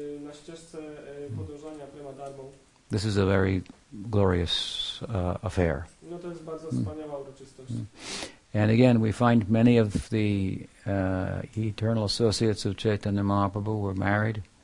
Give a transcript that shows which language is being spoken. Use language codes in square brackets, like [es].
[pl] Na ścieżce podążania prema dharmą. [en] This is a very glorious affair. [pl] No to jest bardzo wspaniała uroczystość. [en] And again, we find many of the eternal associates of Chaitanya Mahaprabhu were married.